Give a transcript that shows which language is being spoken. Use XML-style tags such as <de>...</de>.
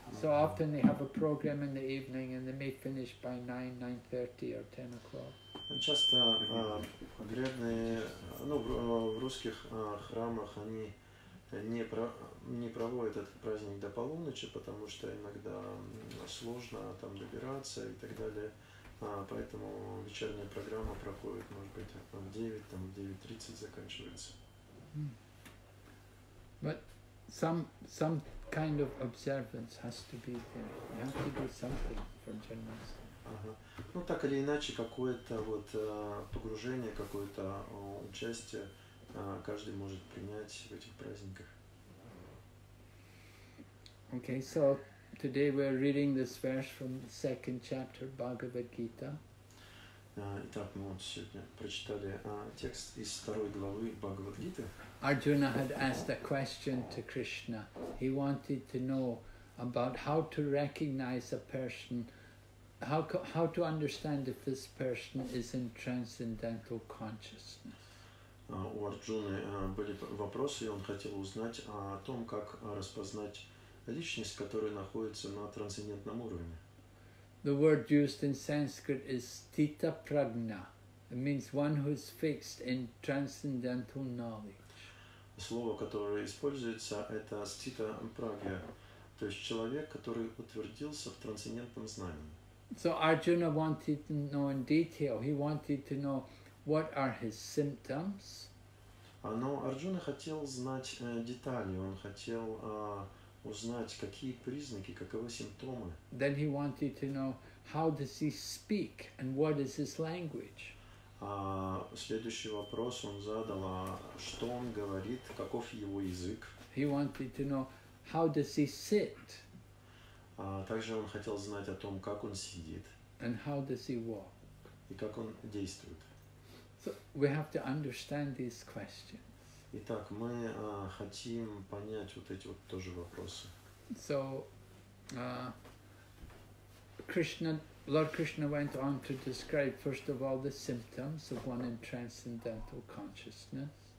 <en>So often they have a program in the evening and they may finish by 9:30 or 10 o'clock. And</en> <ru>часто преданные, ну, в русских храмах они не проводят этот праздник до полуночи, потому что иногда сложно там добираться и так далее. Поэтому вечерняя программа проходит, может быть, в 9, там, в 9:30 заканчивается.</ru> <en>But some kind of observance has to be there. You have to do something for Janmashtami.</en> <ru>Ну, так или иначе, какое-то вот погружение, какое-то участие каждый может принять в этих праздниках.</ru> <en>Okay, so today we're reading this verse from the second chapter Bhagavad Gita.</en> <ru>Итак, мы вот сегодня прочитали текст из второй главы Бхагавад Гиты.</ru> <en>Arjuna had asked a question to Krishna. He wanted to know about how to recognize a person, how to understand if this person is in transcendental consciousness.</en> <ru>У Арджуны были вопросы, и он хотел узнать о том, как распознать личность, которая находится на трансцендентном уровне.</ru> <en>The word used in Sanskrit is sthita prajna. It means one who is fixed in transcendental knowledge.</en> <ru>Слово, которое используется, это sthita prajna, то есть человек, который утвердился в трансцендентном знании.</ru> <en>So Arjuna wanted to know in detail. He wanted to know what are his symptoms.</en> <ru>Но Арджуна хотел знать детали. Он хотел узнать, какие признаки, каковы симптомы.</ru> <en>Then he wanted to know how does he speak and what is his language.</en> <ru>Следующий вопрос он задал, что он говорит, каков его язык.</ru> <en>He wanted to know how does he sit.</en> <ru>Также он хотел знать о том, как он сидит.</ru> <en>And how does he walk?</en> <ru>И как он действует.</ru> <en>So we have to understand these questions.</en> <ru>Итак, мы хотим понять вот эти вот тоже вопросы.</ru> <en>So, Krishna, Lord Krishna went on to describe first of all the symptoms of one in transcendental consciousness.</en>